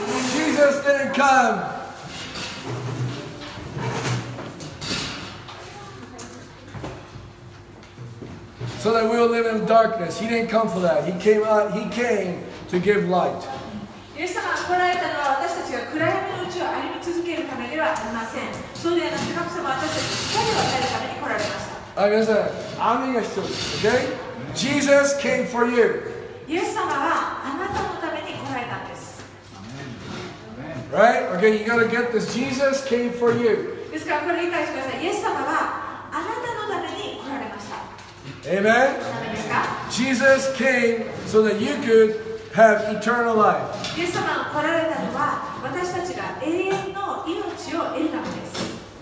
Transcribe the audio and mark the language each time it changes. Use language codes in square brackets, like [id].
[en] Jesus didn't come so that we will live in darkness. He didn't come for that. He came to give light. [ja] イエス様が来られたのは私たちが暗闇のうちを歩み続けるためではありません。そうではなく、神様は私たちに光を与えるために来られました。あ、皆さん、雨が必要です。 [en] OK? Jesus came for you. [ja] イエス様はあなたのために来られたんです。 [en] Right? Okay, you gotta get this. Jesus came for you. [ja] ですからこれ理解してください。イエス様はあなたのために来られました。 [en] Amen? Jesus came so that you could have eternal life. [ja] イエス様が来られたのは私たちが永遠の命を得るためです。